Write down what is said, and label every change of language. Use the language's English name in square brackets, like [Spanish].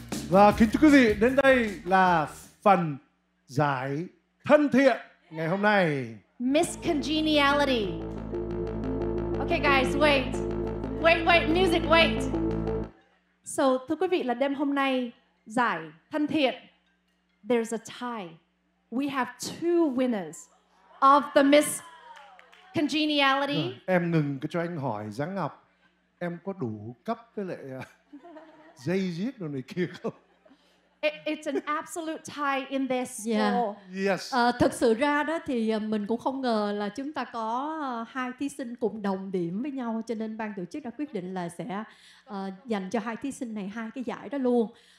[Vietnamese] Và kính thưa quý vị, đến đây là phần giải thân thiện ngày hôm nay. [English] Miss Congeniality. Okay guys, wait. Wait. [Vietnamese] So, thưa quý vị, là đêm hôm nay giải thân thiện, [English] there's a tie. We have two winners of the Miss Congeniality. [Vietnamese] Rồi, em ngừng cho anh hỏi Giáng Ngọc. Em có đủ cấp với lại dây giết đồ này kia không? [English] It's an absolute tie in this score. Yeah. Yes. [Vietnamese] Thực sự ra đó thì mình cũng không ngờ là chúng ta có hai thí sinh cùng đồng điểm với nhau, cho nên ban tổ chức đã quyết định là sẽ dành cho hai thí sinh này hai cái giải đó luôn.